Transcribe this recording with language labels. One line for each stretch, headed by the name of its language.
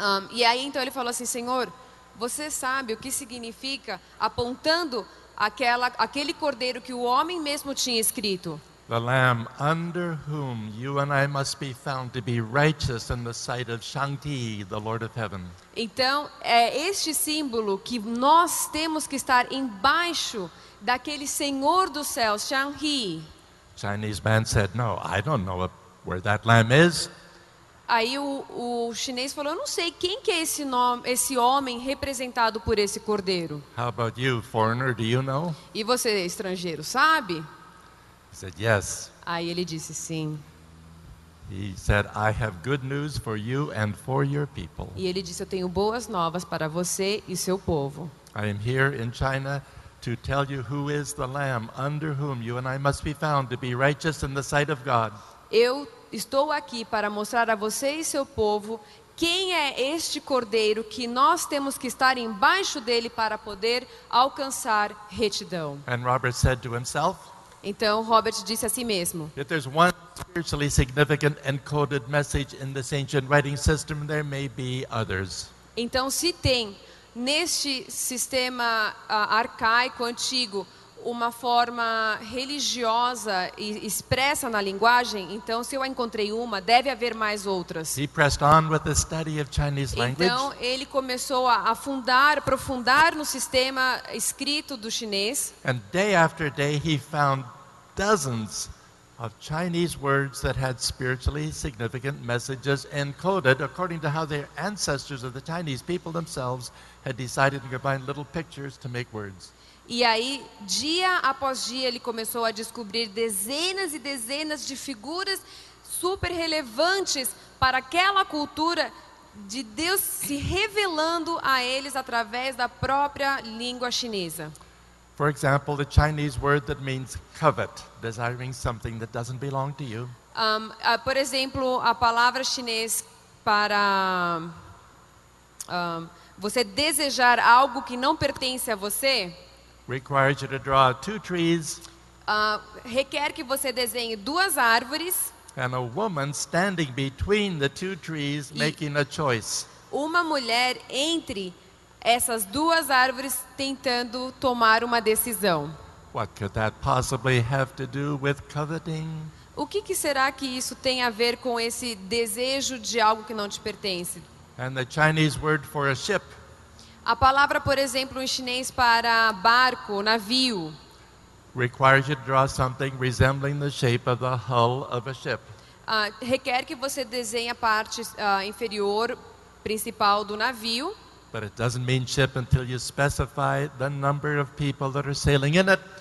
Portuguese: E aí então ele falou assim: Senhor, você sabe o que significa apontando aquele cordeiro que o homem mesmo tinha escrito?
English: The lamb under whom you and I must be found to be righteous in the sight of Shangdi, the Lord of Heaven.
Portuguese: Então, é este símbolo que nós temos que estar embaixo daquele Senhor dos Céus, Shangdi.
English: Chinese man said, no, I don't know where that lamb is.
Portuguese: Aí o chinês falou, eu não sei quem que é esse nome, esse homem representado por esse cordeiro.
English: How about you, foreigner, do you know?
Portuguese: E você, estrangeiro, sabe?
English: He said, yes.
Portuguese: Aí ele disse sim.
English: He said, I have good news for you and for your people.
Portuguese: E ele disse, eu tenho boas novas para você e seu povo.
English: I am here in China to tell you who is the lamb under whom you and I must be found to be righteous in the sight of God.
Portuguese: Eu estou aqui para mostrar a você e seu povo quem é este cordeiro que nós temos que estar embaixo dele para poder alcançar retidão.
English: And Robert said to himself,
Portuguese: então Robert disse a si mesmo:
English: if there's one spiritually significant encoded message in this ancient writing system, there may be others.
Portuguese: Então, se tem neste sistema arcaico antigo uma forma religiosa e expressa na linguagem, então se eu encontrei uma, deve haver mais outras.
English: He pressed on with the study of Chinese language.
Portuguese: Então ele começou a aprofundar no sistema escrito do chinês.
English: And day after day he found dozens of Chinese words that had spiritually significant messages encoded according to how their ancestors of the Chinese people themselves had decided to combine little pictures to make words.
Portuguese: E aí, dia após dia, ele começou a descobrir dezenas e dezenas de figuras super relevantes para aquela cultura de Deus se revelando a eles através da própria língua chinesa.
English: For example, the Chinese word that means covet, desiring something that doesn't belong to you.
Portuguese: Por exemplo, a palavra chinês para você desejar algo que não pertence a você
English: requires you to draw two trees,
Portuguese: requer que você desenhe duas árvores,
English: and a woman standing between the two trees making a choice.
Portuguese: Uma mulher entre essas duas árvores tentando tomar uma decisão.
English: What could that possibly have to do with coveting?
Portuguese: O que será que isso tem a ver com esse desejo de algo que não te pertence?
English: And the Chinese word for a ship.
Portuguese: A palavra, por exemplo, em chinês para barco, navio,
English: requires you to draw something resembling the shape of the hull of a ship.
Portuguese: Requer que você desenhe a parte inferior principal do navio.
English: But it doesn't mean ship until you specify the number of people that are sailing in it.